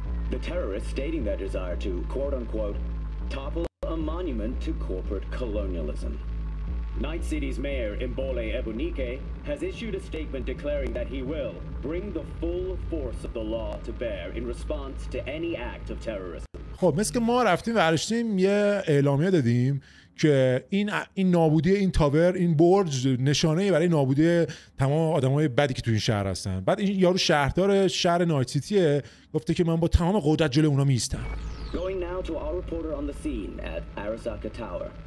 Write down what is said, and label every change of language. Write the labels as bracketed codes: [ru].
[en] The terrorists stating their desire to quote unquote topple a monument to corporate colonialism. Night City's mayor Imbole Ebunike has issued a statement declaring that he will bring the full force of the law to bear in response to any act of terrorism. [fa] خب مثل که ما رفتیم ورشتیم یه اعلامیه دادیم که این نابودی این تاور، این برج نشانه برای نابودی تمام آدمای بدی که تو این شهر هستن. بعد این یارو شهردار شهر نایت سیتی گفته که من با تمام قدرت جلوی اونا میستم. [en] Going now to our reporter on the scene at Arasaka Tower.